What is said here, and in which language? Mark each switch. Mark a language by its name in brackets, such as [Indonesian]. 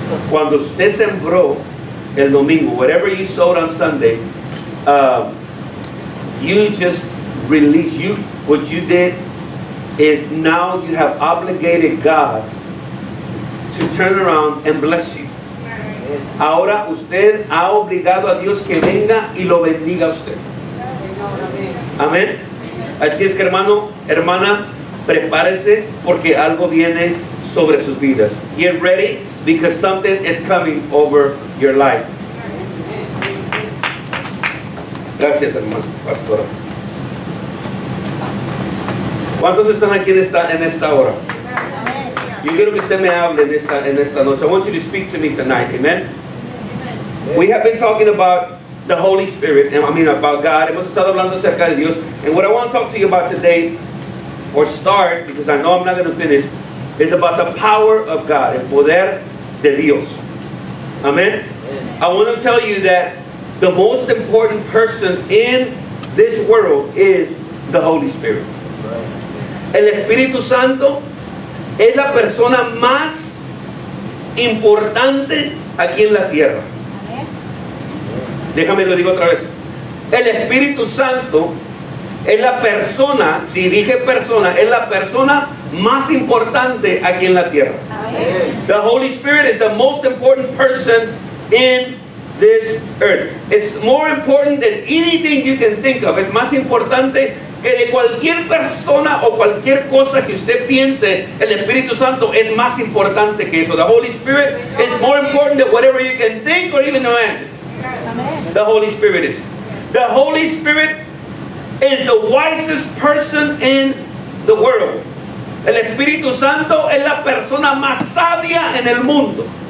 [Spanish] Cuando usted sembró el domingo, [English] whatever you sowed on Sunday, you just released, you, what you did is now you have obligated God to turn around and bless you. [Spanish] Ahora usted ha obligado a Dios que venga y lo bendiga a usted. Amén. Así es que hermano, hermana, prepárese porque algo viene sobre sus vidas. [English] Get ready because something is coming over your life. [Spanish] Gracias, hermano, pastora. ¿Cuántos están aquí en esta hora? Yo quiero que usted me hable en esta noche. [English] I want you to speak to me tonight. Amen. We have been talking about the Holy Spirit, and I mean about God. [Spanish] Hemos estado hablando acerca de Dios. [English] And what I want to talk to you about today, or start, because I know I'm not going to finish, is about the power of God, [Spanish] el poder de Dios. [English] Amen. I want to tell you that the most important person in this world is the Holy Spirit. [Spanish] El Espíritu Santo es la persona más importante aquí en la tierra. Déjame lo digo otra vez. El Espíritu Santo es la persona, si dije persona, es la persona más importante aquí en la tierra. [English] The Holy Spirit is the most important person in this earth. It's more important than anything you can think of. [Spanish] Es más importante que de cualquier persona o cualquier cosa que usted piense. El Espíritu Santo es más importante que eso. [English] The Holy Spirit is more important than whatever you can think or even imagine. The Holy Spirit is. The Holy Spirit is the wisest person in the world. [Spanish] El Espíritu Santo es la persona más sabia en el mundo.